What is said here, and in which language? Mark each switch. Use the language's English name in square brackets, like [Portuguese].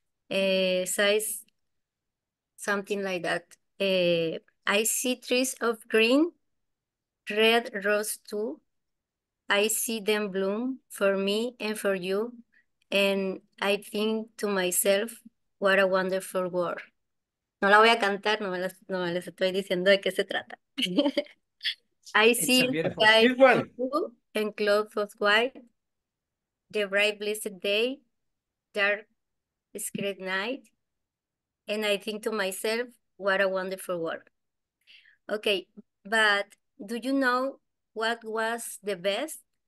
[English] Says something like that. I see trees of green, red rose too. I see them bloom for me and for you. And I think to myself, what a wonderful world. [Spanish] No la voy a cantar, no me les estoy diciendo de qué se trata. [English] I see skies blue and clouds of white, the bright blessed day, dark scared night, and I think to myself, what a wonderful world. Okay, but do you know what was the best?